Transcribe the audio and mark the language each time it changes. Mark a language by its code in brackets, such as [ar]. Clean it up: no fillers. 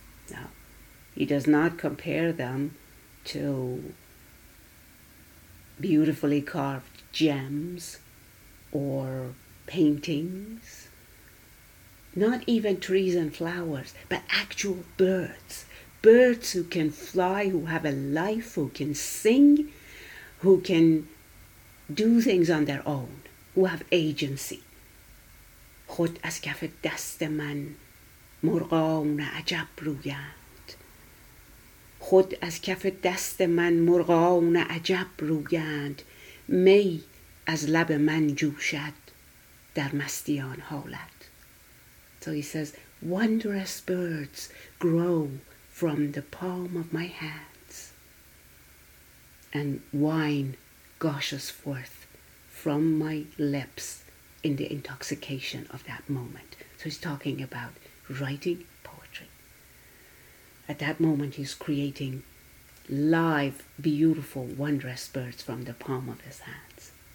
[en] Now, he does not compare them to beautifully carved gems or paintings, not even trees and flowers, but actual birds. Birds who can fly, who have a life, who can sing, who can do things on their own, who have agency. [fa] خود از کف دست من مرغان عجب رویان. خود از کف دست من مرغان عجب رویند، می از لب من جوشد در مستیان حالت. [en] So he says, wondrous birds grow from the palm of my hands, and wine gushes forth from my lips in the intoxication of that moment. So he's talking about writing poetry. At that moment, he's creating live, beautiful, wondrous birds from the palm of his hands.